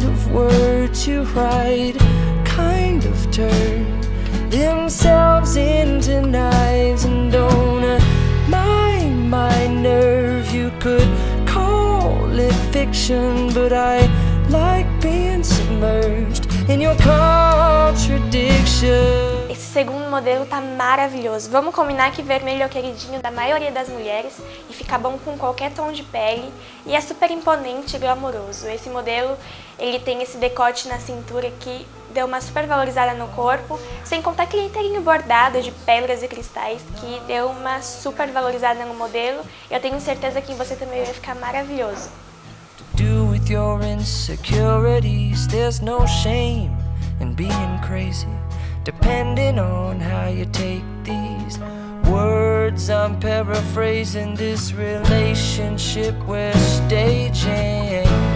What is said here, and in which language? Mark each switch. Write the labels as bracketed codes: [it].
[en] Words you write kind of turn themselves into knives and don't mind my nerve. You could call it fiction, but I like being submerged in your contradiction. [pt] Esse segundo modelo tá maravilhoso. Vamos combinar que vermelho é o queridinho da maioria das mulheres e fica bom com qualquer tom de pele. E é super imponente e glamouroso. Esse modelo, ele tem esse decote na cintura que deu uma super valorizada no corpo. Sem contar aquele inteirinho bordado de pedras e cristais que deu uma super valorizada no modelo. Eu tenho certeza que em você também vai ficar maravilhoso. [en] To do with your insecurities, there's no shame in being crazy. Depending on how you take these words, I'm paraphrasing this relationship we're staging.